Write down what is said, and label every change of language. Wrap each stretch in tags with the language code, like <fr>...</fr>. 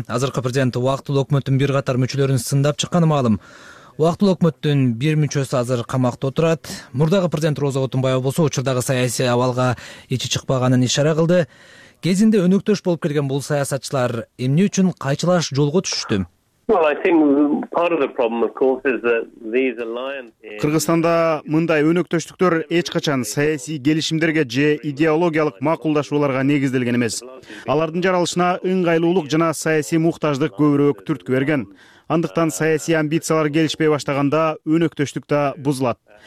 <ky>Азыркы президент убактылуу өкмөттүн бир катар мүчөлөрүн сындап чыкканы маалым. Убактылуу өкмөттүн бир мүчөсү азыр камакта отурат. Мурдагы президент Роза Отунбаева болсо учурдагы саясий абалга ичи чыкпаганын ишара кылды. Кезинде өнөктөш болуп келген бул саясатчылар эмне үчүн кайчылаш жолго түшүштү?</ky> <en>Well, I think part of the problem, of course, is that these alliances.</en> <ky>Кыргызстанда мындай өнөктөштүктөр эч качан саясий келишимдерге же идеологиялык макулдашууларга негизделген эмес. Алардын жаралышына ыңгайлуулук жана саясий муктаждык көбүрөөк түрткү берген. Андыктан саясий амбициялар келишпей баштаганда өнөктөштүк да бузулат.</ky>